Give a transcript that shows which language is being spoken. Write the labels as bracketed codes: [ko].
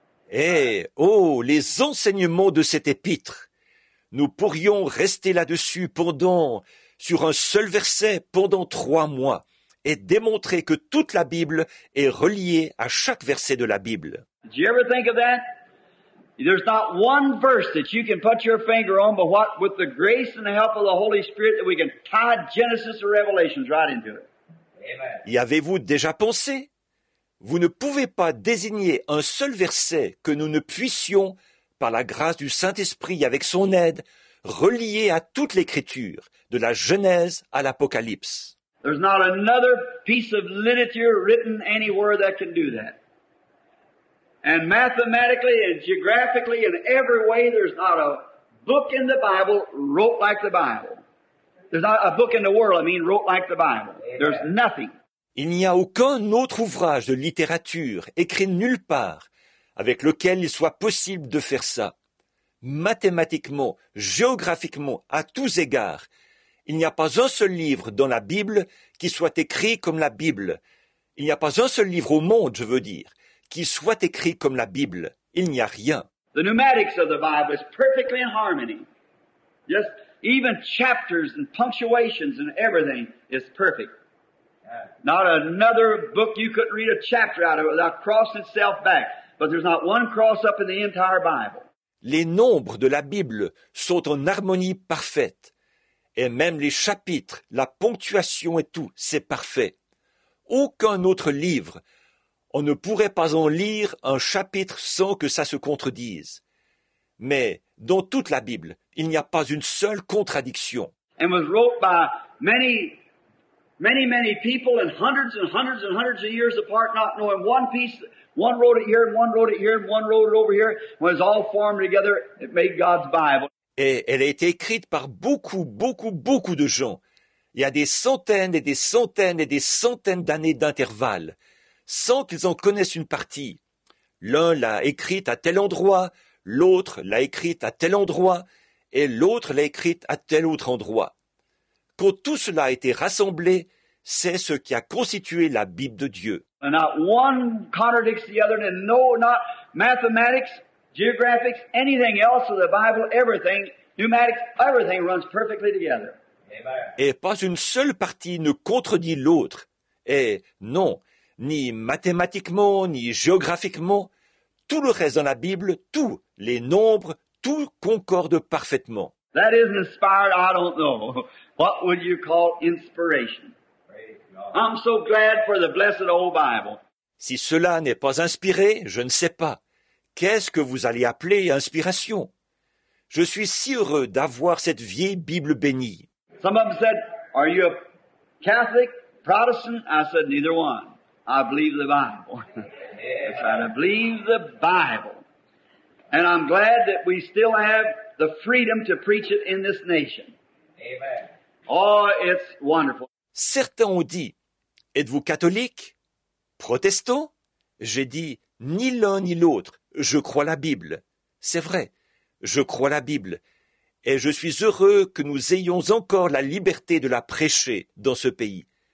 [fr] Et oh, les enseignements de cette épître, nous pourrions rester là-dessus sur un seul verset pendant 3 mois. Et démontrer que toute la Bible est reliée à chaque verset de la Bible. [en] Did you ever think of that? There's not one verse that you can put your finger on, but what with the grace and the help of the Holy Spirit that we can tie Genesis or Revelations right into it. Amen. [fr] Y avez-vous déjà pensé? Vous ne pouvez pas désigner un seul verset que nous ne puissions, par la grâce du Saint-Esprit avec son aide, relier à toute l'Écriture, de la Genèse à l'Apocalypse. [en] There's not another piece of literature written anywhere that can do that. And mathematically and geographically in every way, there's not a book in the Bible wrote like the Bible. There's not a book in the world, wrote like the Bible. There's nothing. [fr] Il n'y a aucun autre ouvrage de littérature écrit nulle part avec lequel il soit possible de faire ça. Mathématiquement, géographiquement, à tous égards, il n'y a pas un seul livre dans la Bible qui soit écrit comme la Bible. Il n'y a pas un seul livre au monde, je veux dire, qui soit écrit comme la Bible. Il n'y a rien. [en] The pneumatics of the Bible is perfectly in harmony. Yes, even chapters and punctuations and everything is perfect. Not another book you couldn't read a chapter out of without crossing itself back. But there's not one cross up in the entire Bible. [fr] Les nombres de la Bible sont en harmonie parfaite. Et même les chapitres, la ponctuation et tout, c'est parfait. Aucun autre livre, on ne pourrait pas en lire un chapitre sans que ça se contredise. Mais dans toute la Bible, il n'y a pas une seule contradiction. [en] and was wrote by many, many, many people and hundreds and hundreds and hundreds of years apart, not knowing one piece. One wrote it here and one wrote it here and one wrote it over here. When it's all formed together, it made God's Bible. [fr] Et elle a été écrite par beaucoup, beaucoup, beaucoup de gens. Il y a des centaines et des centaines et des centaines d'années d'intervalle, sans qu'ils en connaissent une partie. L'un l'a écrite à tel endroit, l'autre l'a écrite à tel endroit, et l'autre l'a écrite à tel autre endroit. Quand tout cela a été rassemblé, c'est ce qui a constitué la Bible de Dieu. [en] And not one contradicts the other, and no, not mathematics, geographics, anything else of the Bible, everything, pneumatics, everything runs perfectly together. [fr] Et pas une seule partie ne contredit l'autre. Et non, ni mathématiquement, ni géographiquement, tout le reste dans la Bible, tout, les nombres, tout concorde parfaitement. [en] That isn't inspired, I don't know. What would you call inspiration? I'm so glad for the blessed old Bible. [fr] Si cela n'est pas inspiré, je ne sais pas. Qu'est-ce que vous allez appeler inspiration? Je suis si heureux d'avoir cette vieille Bible bénie. [en] Some of them said, are you a Catholic, Protestant? I said, neither one. I believe the Bible. I said, I believe the Bible. And I'm glad that we still have the freedom to preach it in this nation. Amen. Oh, it's wonderful. [fr] Certains ont dit, êtes-vous catholique, protestant? J'ai dit, ni l'un ni l'autre, je crois la Bible. C'est vrai, je crois la Bible. Et je suis heureux que nous ayons encore la liberté de la prêcher dans ce pays.